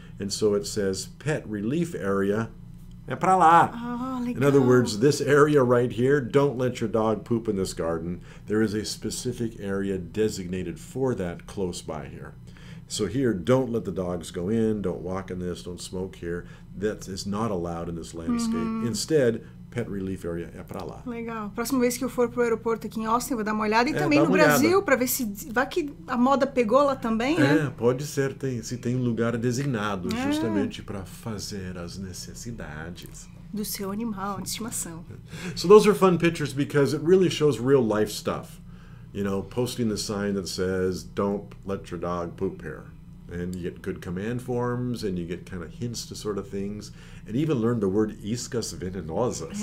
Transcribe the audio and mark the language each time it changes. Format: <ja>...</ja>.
<en>And so it says, pet relief area.</en> <pt>É pra lá.</pt> <en>Oh, in other words, this area right here, don't let your dog poop in this garden. There is a specific area designated for that close by here. So here, don't let the dogs go in, don't walk in this, don't smoke here. That is not allowed in this landscape. Mm-hmm. Instead, pet relief area</en> <pt>é pra lá. Legal. Próxima vez que eu for pro aeroporto aqui em Austin, vou dar uma olhada. E também no Brasil, pra ver se vai que a moda pegou lá também, né? É, pode ser. Se tem lugar designado justamente pra fazer as necessidades do seu animal de estimação.</pt> <en>So those are fun pictures because it really shows real life stuff. You know, posting the sign that says, don't let your dog poop here. And you get good command forms, and you get kind of hints to sort of things. And even learn the word iscas venenosas.</en>